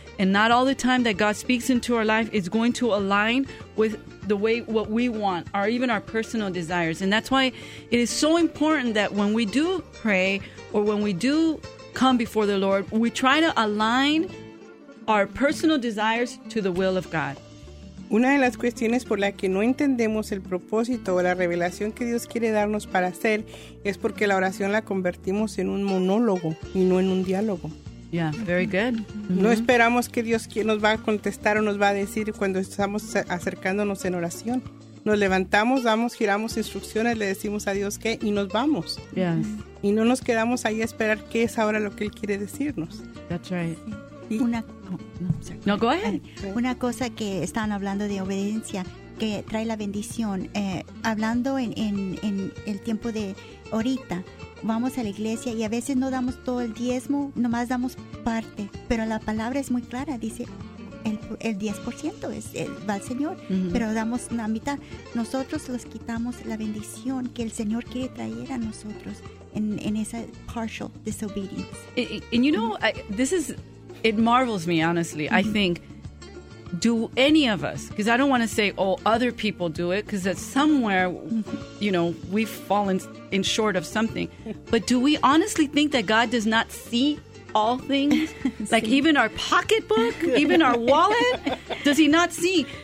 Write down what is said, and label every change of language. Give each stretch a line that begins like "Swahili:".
English: And not all the time that God speaks into our life is going to align with the way what we want or even our personal desires. And that's why it is so important that when we do pray or when we do come before the Lord, we try to align our personal desires to the will of God.
Spanish: Una de las cuestiones por la que no entendemos el propósito o la revelación que Dios quiere darnos para hacer es porque la oración la convertimos en un monólogo y no en un diálogo.
English: Yeah, very good. Mm-hmm.
Spanish: No esperamos que Dios nos va a contestar o nos va a decir cuando estamos acercándonos en oración. Nos levantamos, damos, giramos instrucciones, le decimos a Dios qué y nos vamos.
English: Yes.
Spanish: Y no nos quedamos ahí a esperar qué es ahora lo que Él quiere decirnos.
English: That's right. No, go ahead.
Spanish: Una cosa que están hablando de obediencia que trae la bendición. Hablando en el tiempo de ahorita, vamos a la iglesia y a veces no damos todo el diezmo, nomás damos parte. Pero la palabra es muy clara, dice el 10% va al Señor, uh-huh. Pero damos la mitad. Nosotros los quitamos la bendición que el Señor quiere traer a nosotros en esa
English: partial disobedience. And you know, it marvels me, honestly. Mm-hmm. I think, do any of us, because I don't want to say, oh, other people do it, because that's somewhere, you know, we've fallen in short of something. But do we honestly think that God does not see all things? Like even our pocketbook, even our wallet? Does he not see?